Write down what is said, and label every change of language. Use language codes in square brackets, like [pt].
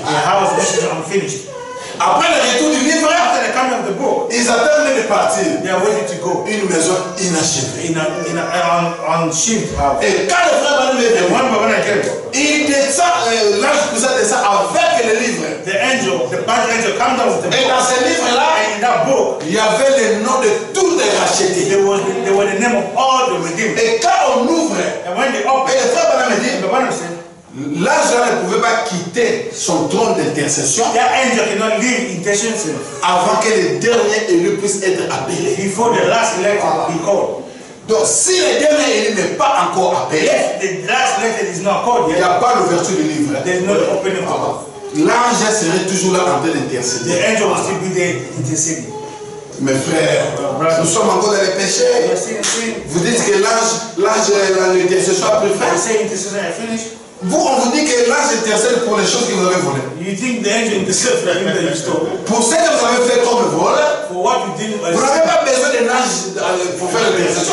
[en] The house which is unfinished. [fr] Après le retour du livre, [en] after the coming of the book, [fr] ils attendent de partir. [en] They are waiting to go. [fr] Une maison inachevée. [en] In a unfinished house. [fr] Et quand le frère va nous le dire, [en] one brother came. [fr] Il descend, l'ange puissant descend avec le livre. [en] The angel, the bad angel, come down with the book. [fr] Et dans ce livre là, [en] in that book, [fr] il y avait le nom de tous les rachetés. [en] There were the name of all the redeemed. [fr] Et quand on ouvre, [en] and when they open, [fr] et le frère va nous le dire, [en] the brother said. [fr] L'ange ne pouvait pas quitter son trône d'intercession. [en] That angel cannot leave intercession [fr] avant que les derniers élus puissent être appelés. [en] Before the last elect will be called. [fr] Donc si le dernier élu n'est pas encore appelé, [en] yes, the last elect is not called yet. [fr] Il n'y a pas l'ouverture du livre. [en] There's no opening of it. [fr] L'ange serait toujours là en train d'intercéder. [en] The angel will still be there interceding. [fr] Mes frères, nous sommes encore dans les péchés. Vous dites que l'intercession a pris fin. [en] I say intercession is finished. [fr] Vous, on vous dit que l'ange intercède pour les choses que vous avez volées. [en] You think the angel intercedes for the things that you stole? [fr] Pour ce que vous avez fait comme vol, [en] for what you did, [fr] vous n'avez pas besoin d'un ange pour faire l'intercession.